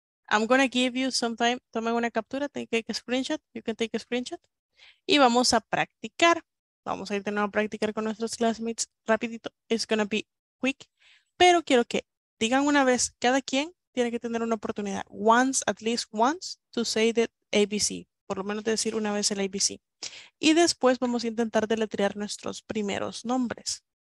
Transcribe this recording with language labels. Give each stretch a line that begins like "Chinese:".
English: I'm going to give you some time.
Spanish: Tome una captura.
English: Take a screenshot. You can take a screenshot.
Spanish: Y vamos a practicar. Vamos a ir de nuevo a practicar con nuestros classmates rapidito.
English: It's gonna be quick.
Spanish: Pero quiero que digan una vez, cada quien tiene que tener una oportunidad.
English: Once, at least once, to say the ABC.
Spanish: Por lo menos decir una vez el ABC. Y después vamos a intentar deletrear nuestros primeros nombres.